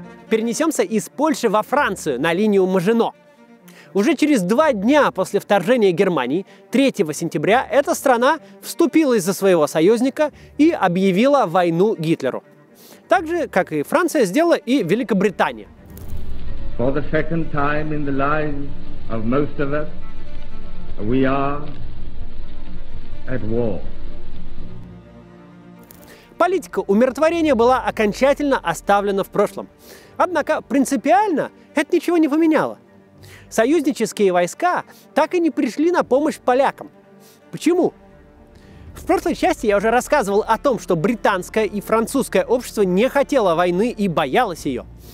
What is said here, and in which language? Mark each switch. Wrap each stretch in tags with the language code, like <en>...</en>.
<ru>Перенесемся из Польши во Францию на линию Мажино. Уже через 2 дня после вторжения Германии, 3 сентября, эта страна вступила из-за своего союзника и объявила войну Гитлеру. Так же, как и Франция, сделала и Великобритания.</ru> <en>For the second time in the lives of most of us, we are at war.</en> <ru>Политика умиротворения была окончательно оставлена в прошлом. Однако принципиально это ничего не поменяло. Союзнические войска так и не пришли на помощь полякам. Почему? В прошлой части я уже рассказывал о том, что британское и французское общество не хотело войны и боялось ее.</ru>